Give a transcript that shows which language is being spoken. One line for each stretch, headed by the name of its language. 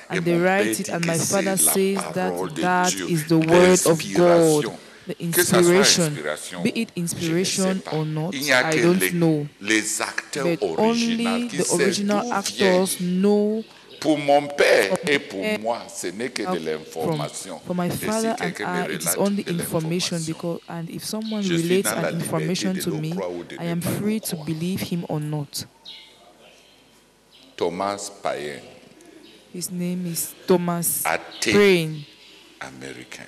English: and they write it, and my father says that that
French: Dieu,
English: is the word of God. the inspiration, be it inspiration or not, I don't know.
French: Les acteurs
English: but only the original actors know.
French: Pour mon père et pour moi, ce n'est que de l'information.
English: For my father and I, it's only information. Because, and if someone relates that information to me, I am free to believe him or not. Thomas Paine. His name is Thomas Paine. American.